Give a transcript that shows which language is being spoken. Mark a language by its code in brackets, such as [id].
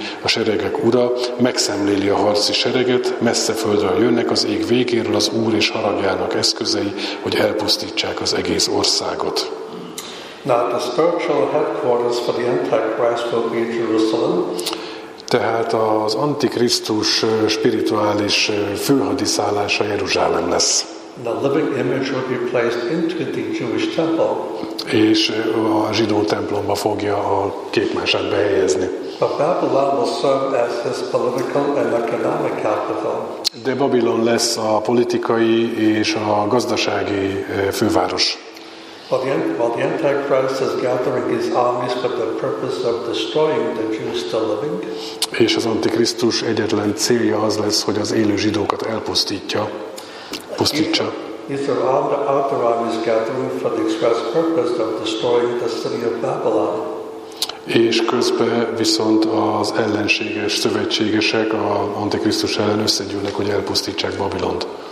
[hu] A seregek ura megszemléli a harci sereget, messze földről jönnek az ég végéről az Úr és haragjának eszközei, hogy elpusztítsák az egész országot. [en] Now the spiritual headquarters for the Antichrist will be Jerusalem. [hu] Tehát az Antikrisztus spirituális főhadiszállása Jeruzsálem lesz. [en] The living image will be placed into the Jewish temple. [hu] És a zsidó templomba fogja a képmását behelyezni. [en] But Babylon will serve as his political and economic capital. [hu] De Babilon lesz a politikai és a gazdasági főváros. [en] While the Antichrist is gathering his armies for the purpose of destroying the Jews still living. [hu] És az Antikrisztus egyetlen célja az lesz, hogy az élő zsidókat elpusztítja. Pusztítsa. [en] If the outer army is gathering for the express purpose of destroying the city of Babylon. [hu] És közben viszont az ellenséges szövetségesek, a Antikrisztus ellen összegyűlnek, hogy elpusztítsák Babilont.